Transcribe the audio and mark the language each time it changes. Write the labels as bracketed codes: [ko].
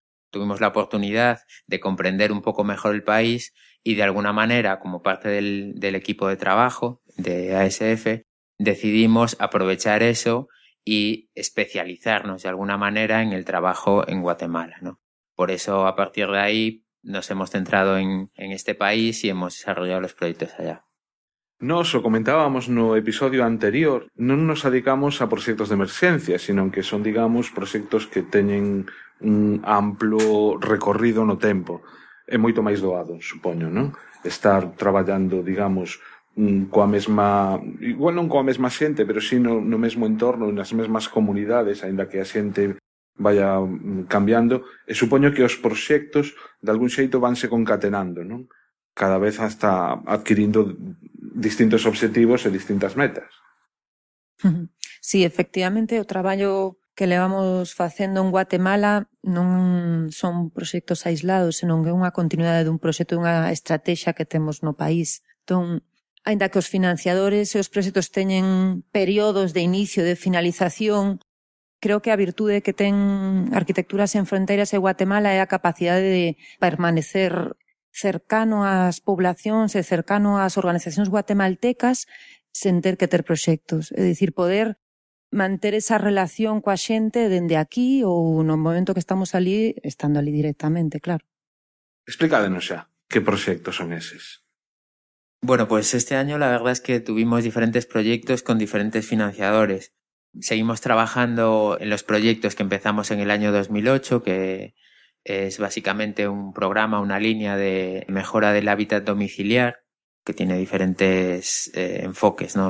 [es] Tuvimos la oportunidad de comprender un poco mejor el país y de alguna manera, como parte del equipo de trabajo de ASF, decidimos aprovechar eso y especializarnos de alguna manera en el trabajo en Guatemala, ¿no? Por eso, a partir de ahí, nos hemos centrado en este país y hemos desarrollado los proyectos allá. [gl] Nos o comentábamos no episodio anterior, non nos adicamos a proxectos de emerxencia, sino que son, digamos, proxectos que teñen un amplo recorrido no tempo. É moito máis doado, supoño, non? Estar traballando, digamos, coa mesma, igual non coa mesma xente, pero sí no mesmo entorno, nas mesmas comunidades, aínda que a xente vaya cambiando, e supoño que os proxectos de algún xeito vanse concatenando, non? Cada vez hasta adquirindo distintos objetivos e distintas metas. Sí, efectivamente, o traballo que levamos facendo en Guatemala non son proxectos aislados, senón que é unha continuidade dun proxecto, unha estrategia que temos no país. Entón, aínda que os financiadores e os proxectos teñen períodos de inicio, de finalización, creo que a virtude que ten Arquitecturas en Fronteiras e Guatemala é a capacidade de permanecer cercano ás poblacións e cercano ás organizacións guatemaltecas sen ter que ter proxectos. É dicir, poder manter esa relación coa xente dende aquí ou no momento que estamos ali, estando ali directamente, claro. Explícadenos xa, que proxectos son eses? [es] Bueno, pues este año la verdad es que tuvimos diferentes proyectos con diferentes financiadores. Seguimos trabajando en los proyectos que empezamos en el año 2008, que es básicamente un programa, una línea de mejora del hábitat domiciliar, que tiene diferentes enfoques, ¿no?